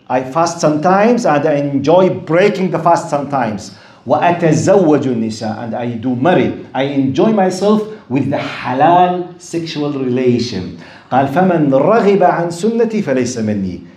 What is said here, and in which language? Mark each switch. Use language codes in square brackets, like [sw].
[en] I fast sometimes and I enjoy breaking the fast sometimes. [ar] وأتزوج النساء [en] and I do marry. I enjoy myself with the halal sexual relation. [ar] قال فمن رغب عن سنتي فليس مني.